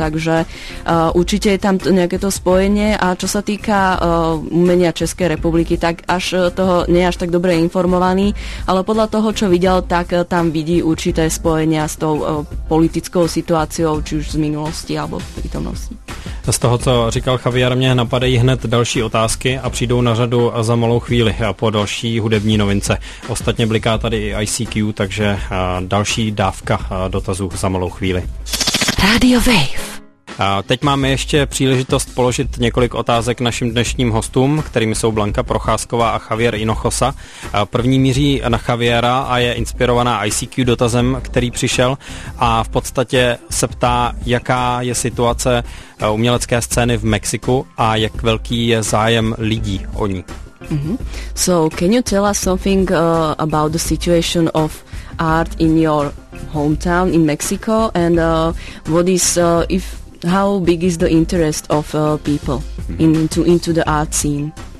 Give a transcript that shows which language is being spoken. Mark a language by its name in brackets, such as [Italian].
[Slovak] Takže určite je tam nejaké to spojenie a čo sa týka umenia Českej republiky, tak až toho nie je až tak dobre informovaný, ale podľa toho, čo videl, tak tam vidí určité spojenia s tou politickou situáciou, či už z minulosti alebo v prítomnosti. [Czech] Z toho, co říkal Javier, mě napadají hned další otázky a přijdou na řadu za malou chvíli a po další hudební novince. Ostatně bliká tady i ICQ, takže další dávka dotazů za malou chvíli. Radio Wave. A teď máme ještě příležitost položit několik otázek našim dnešním hostům, kterými jsou Blanka Procházková a Javier Hinojosa. První míří na Javiera a je inspirovaná ICQ dotazem, který přišel a v podstatě se ptá, jaká je situace umělecké scény v Mexiku a jak velký je zájem lidí o ní. Mm-hmm. [English] So, can you tell us something about the situation of art in your hometown in Mexico and what is if how big is the interest of people into the art scene?